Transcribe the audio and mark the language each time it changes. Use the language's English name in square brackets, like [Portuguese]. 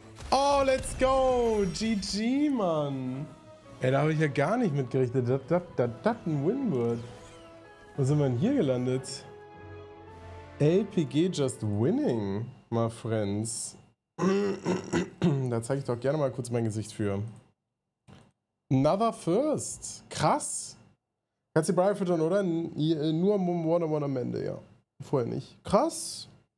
[English] Oh, let's go! [German] GG, Mann! Ey, da habe ich ja gar nicht mitgerechnet, dass das ein Win wird. Wo sind wir denn hier gelandet? [English] LPG just winning, my friends. [German] Da zeige ich doch gerne mal kurz mein Gesicht für. [English] Another first. [German] Krass. Kannst du die Briar füttern, oder? Nur one-on-one am Ende, ja. Vorher nicht. Krass.